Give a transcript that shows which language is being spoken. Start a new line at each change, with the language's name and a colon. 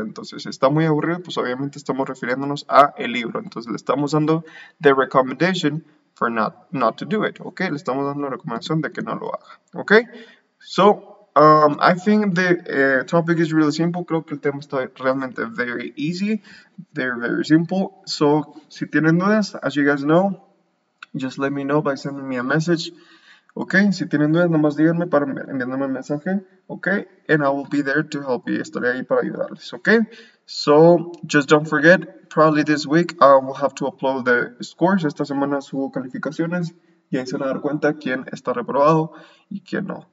Spanish: Entonces, está muy aburrido, pues obviamente estamos refiriéndonos a el libro. Entonces, le estamos dando
English: the recommendation for not to do it, ¿ok?
Spanish: Le estamos dando la recomendación de que no lo haga, ¿ok?
English: So, I think the topic is really simple.
Spanish: Creo que el tema está realmente
English: very easy, very, very simple. So,
Spanish: si tienen dudas,
English: as you guys know, just let me know by sending me a message.
Spanish: Okay, si tienen dudas, nomás díganme para enviándome un mensaje, okay?
English: And I will be there to help you,
Spanish: estaré ahí para ayudarles,
English: okay? So, just don't forget, probably this week, I will have to upload the scores.
Spanish: Esta semana subo calificaciones, y ahí se van a dar cuenta quién está reprobado y quién no.